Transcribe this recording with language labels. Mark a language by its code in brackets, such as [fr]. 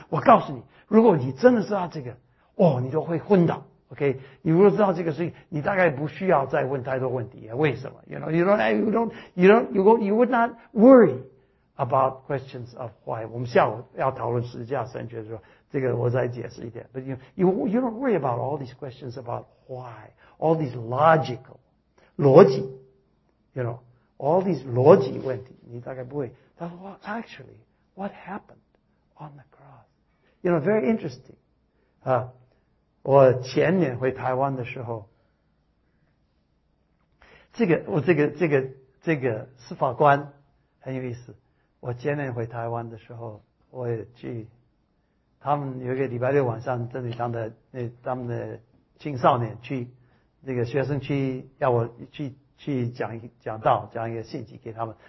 [zh] 我告诉你，如果你真的知道这个，哦，你都会昏倒。 OK， 你如果知道这个事情，你大概不需要再问太多问题。为什么 [en] ？You would not worry about questions of why。 [zh] 我们下午要讨论十字架神学的时候，这个我再解释一点。 [en] But you don't worry about all these questions about why, all these logical 逻辑 ，you know。 All these [zh] 逻辑问题你大概不会。他说 [en] well, actually, what happened on the cross? You know, very interesting. [zh] 我前年回台湾的时候，这个司法官很有意思。我前年回台湾的时候，我也去他们有一个礼拜六晚上真的当的那他们的青少年去那个学生去要我去讲道，讲一个信息给他们。